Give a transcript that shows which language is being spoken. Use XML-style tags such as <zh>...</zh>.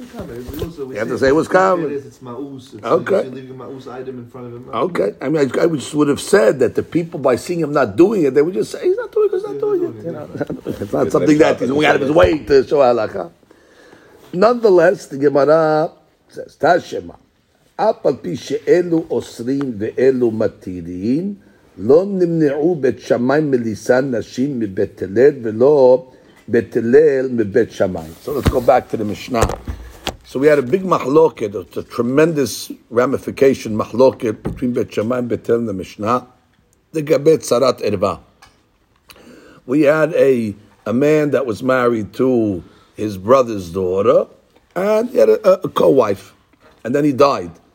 <en>Ma'us. Okay. I mean, I just would have said that the people, by seeing him not doing it, they would just say, he's not doing it, he's not doing it. It's not something that he's going out of his way to show halakha. Nonetheless, the Gemara says, Tashema,</en> <he>אף על פי שאלו אוסרים ואלו מתירים, לא נמנעו בית שמי מליסה נשים מבית הלל ולא בית הלל מבית שמי.</he> <en>So let's go back to the Mishnah. So we had a big machloket, a tremendous ramification machloket between Bet Shammai and Bet Hillel in the Mishnah, the Gabet Sarat Erva. We had a man that was married to his brother's daughter, and he had a co-wife, and then he died.</en>